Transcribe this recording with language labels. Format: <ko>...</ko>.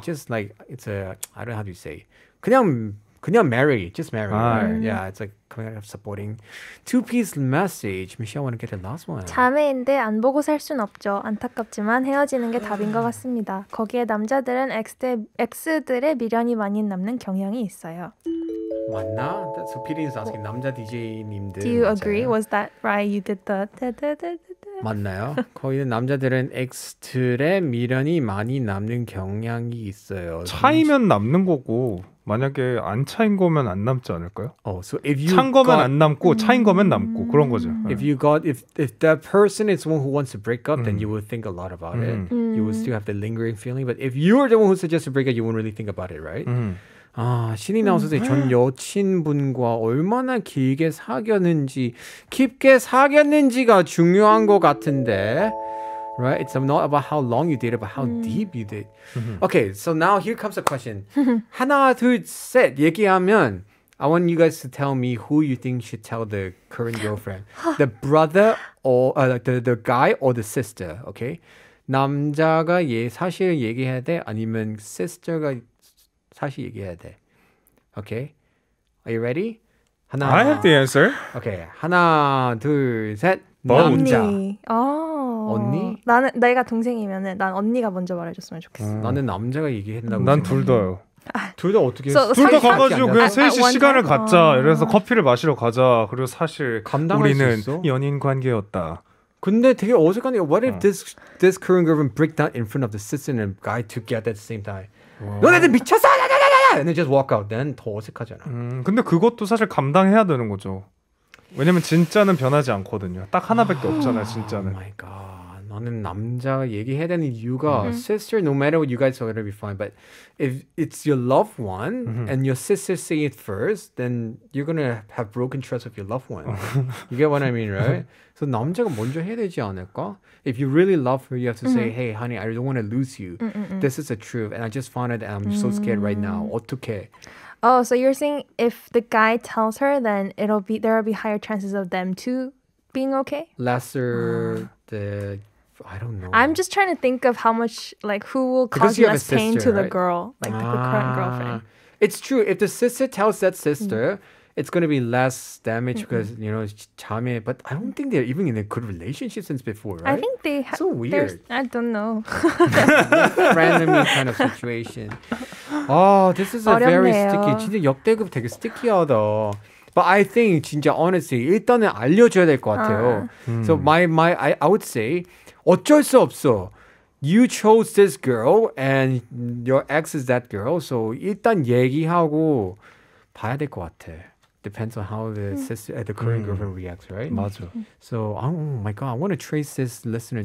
<en>Just like, it's a, I don't know how to say.</en> <ko>그냥</ko> <en>marry, just marry. Right. Yeah, it's like coming out of supporting. Two-piece message. Michelle, I want to get the last one.</en> <ko>자매인데 안 보고 살 순 없죠. 안타깝지만 헤어지는 게 답인 것 같습니다. 거기에 남자들은 X들의 미련이 많이 남는 경향이 있어요. 맞나?</ko> <en>So PD is asking, well,</en> <ko>남자 DJ님들.</ko> <en>Do you</en> <ko>맞아요?</ko> <en>Agree? Was that right? You did the...</en> <ko>맞나요? 거의 남자들은 X들의 미련이 많이 남는 경향이 있어요. 차이면 남는 거고 만약에 안 차인 거면 안 남지 않을까요?</ko> <en>Oh, so if you</en> <ko>찬 거면</ko> <en>got...</en> <ko>안 남고 차인 거면 남고 그런 거죠.</ko> <en>If you got if that person is one who wants to break up, then you would think a lot about it. You would still have the lingering feeling. But if you are the one who suggests to break up, you wouldn't really think about it, right?</en> <ko>아, 신이 나와서 전 여친분과 얼마나 길게 사귀었는지, 깊게 사귀었는지가 중요한 것 같은데.</ko> <en>Right? It's not about how long you did it, but how deep you did. Okay, so now here comes a question.</en> <ko>하나, 둘, 셋 얘기하면</ko> <en>I want you guys to tell me who you think should tell the current girlfriend. The brother or the guy or the sister, okay?</en> <ko>남자가 얘 사실 얘기해야 돼? 아니면 sister가 다시 얘기해야 돼.</ko> <en>Okay? Are you ready?</en> <ko>하나,</ko> <en>I have the answer. Okay.</en> <ko>하나, 둘, 셋. 남자. 언니? 나는 내가 동생이면 난 언니가 먼저 말해줬으면 좋겠어. 나는 남자가 얘기한다고. 난 둘 다요. 둘 다 어떻게 했어? 둘 다 가가지고 그냥 셋이 시간을 갖자. 이래서 커피를 마시러 가자. 그리고 사실 우리는 연인 관계였다. 근데 되게 어색한 게</ko> <en>What if this current girlfriend break down in front of the sister and guy together at the same time?</en> <ko>너네들 미쳤어!</ko> <en>And they just walk out. Then</en> <ko>더 어색하잖아. 근데 그것도 사실 감당해야 되는 거죠. 왜냐면 진짜는 변하지 않거든요. 딱 하나밖에 없잖아요. 진짜는.</ko> <en>Oh my god.</en> <ko>너는 남자 얘기해야 되는 이유가 sister.</ko> <en>No matter what, you guys are gonna be fine. But if it's your loved one and your sister say it first, then you're gonna have broken trust with your loved one. You get what I mean, right? So</en> <ko>남자가 먼저 해야 되지 않을까?</ko> <en>If you really love her, you have to say, hey, honey, I don't want to lose you. This is the truth. And I just found it. And I'm so scared right now.</en> <ko>어떡해?</ko> <en>Oh, so you're saying if the guy tells her, then there will be higher chances of them too being okay? Lesser the... I don't know. I'm just trying to think of how much, like, who will cause less sister, pain to the girl. Like, the current girlfriend. It's true. If the sister tells that sister... It's going to be less damage because, you know, 자매. But I don't think they're even in a good relationship since before, right? I think they have. So weird. I don't know. Random kind of situation. Oh, this is a very sticky.</en> <ko>진짜 역대급 되게 sticky하다.</ko> <en>But I think,</en> <ko>진짜</ko> <en>honestly,</en> <ko>일단은 알려줘야 될 것 같아요.</ko> <en>So I would say,</en> <ko>어쩔 수 없어.</ko> <en>You chose this girl and your ex is that girl. So</en> <ko>일단 얘기하고 봐야 될 것 같아.</ko> <en>Depends on how the sister, the current girlfriend reacts, right?</en> <ko>맞아.</ko> <en>So, oh my god, I want to trace this listener.</en>